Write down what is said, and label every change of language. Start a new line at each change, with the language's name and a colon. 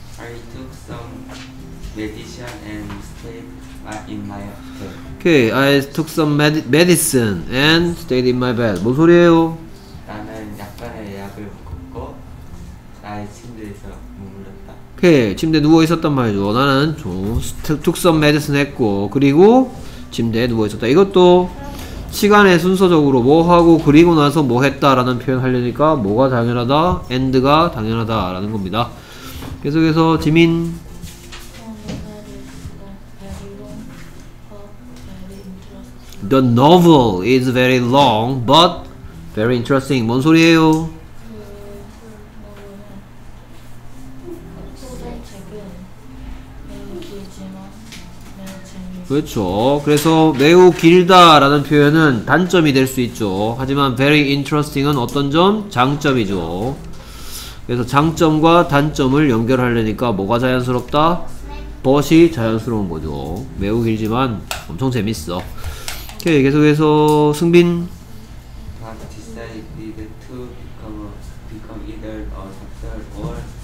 English: I took some medicine and stayed in my bed. Okay, I took some medicine and stayed in my bed.
Korean: 뭔 소리예요? 나는 약간의 약을 먹고 나의 침대에서 머물렀다. Okay, 침대에 누워 있었단 말이죠. 나는
English: took some medicine
Korean: 했고 그리고 침대에 누워 있었다. 이것도 시간의 순서적으로 뭐하고 그리고 나서 뭐했다 라는 표현 하려니까 뭐가 당연하다? and가 당연하다 라는 겁니다. 계속해서 지민. 어,
English: The novel is very long but very interesting.
Korean: 뭔 소리예요? 그렇죠. 그래서 매우 길다 라는 표현은 단점이 될 수 있죠. 하지만
English: very interesting
Korean: 은 어떤 점? 장점이죠. 그래서 장점과 단점을 연결하려니까 뭐가 자연스럽다? but이 자연스러운 거죠. 매우 길지만 엄청 재밌어. 오케이, 계속해서 승빈.
English: But decided to become either a doctor or a lawyer.